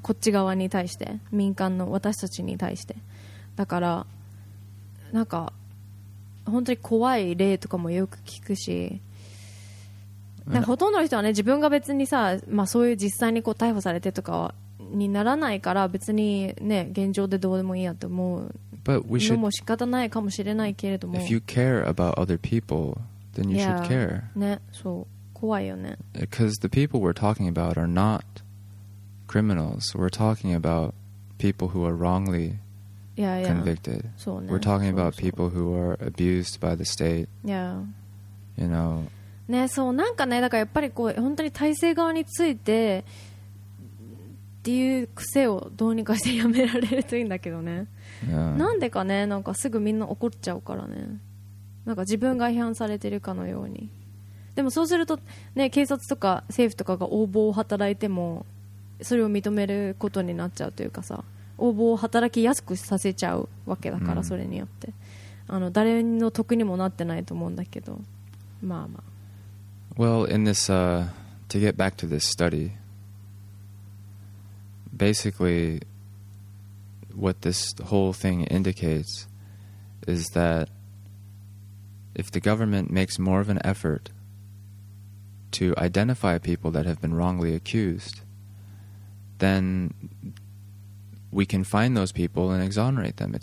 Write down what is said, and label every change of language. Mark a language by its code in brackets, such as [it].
[ja] こっち側に対して。民間の私たちに対して。だから、なんか、本当に怖い例とかもよく聞くし、なんかほとんどの人はね、自分が別にさ、まあ、そういう実際にこう逮捕されてとかにならないから、別にね、現状でどうでもいいやと思うのも仕方ないかもしれないけれども、 [en] If you care about other people, then you should care. [ja] ね、そう、怖いよね。 [en] Because the people we're talking about are not criminals. We're talking about people who are wrongly convicted. [ja] そうね、 [en] We're talking about people who are abused by the state. Yeah. You know. [ja] ね、そう、なんかね、だからやっぱりこう本当に体制側についてっていう癖をどうにかしてやめられるといいんだけどね。 [en] Yeah. [ja] なんでかね、なんかすぐみんな怒っちゃうからね。なんか自分が批判されてるかのように。でもそうするとね、警察とか政府とかが横暴を働いてもそれを認めることになっちゃうというかさ。応募を働きやすくさせちゃうわけだから、それによって、誰の得にもなってないと思うんだけど、まあまあ。 [en] Well, in this, to get back to this study, basically, what this whole thing indicates is that if the government makes more of an effort to identify people that have been wrongly accused, then we can find those people and exonerate them.